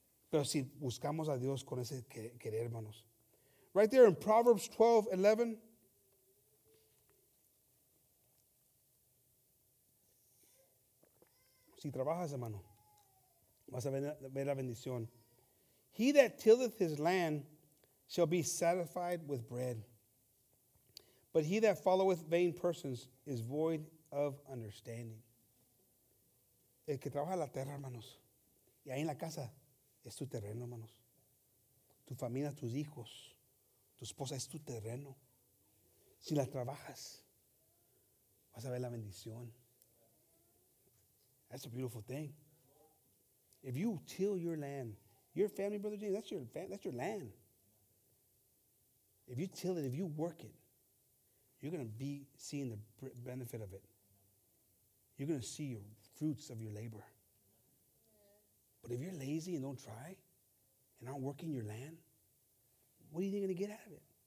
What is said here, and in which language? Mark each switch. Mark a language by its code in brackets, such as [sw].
[es] Pero si buscamos a Dios con ese querer, hermanos. [en] Right there in Proverbs 12:11. [es] Si trabajas, hermano, vas a ver la bendición. [en] He that tilleth his land shall be satisfied with bread. But he that followeth vain persons is void of understanding. [es] El que trabaja la tierra, hermanos, y ahí en la casa, es tu terreno, hermanos. Tu familia, tus hijos, tu esposa, es tu terreno. Si la trabajas, vas a ver la bendición. [en] That's a beautiful thing. If you till your land, your family, Brother James, that's your land. If you till it, if you work it, you're going to be seeing the benefit of it. You're going to see your fruits of your labor. But if you're lazy and don't try and aren't working your land, what are you going to get out of it?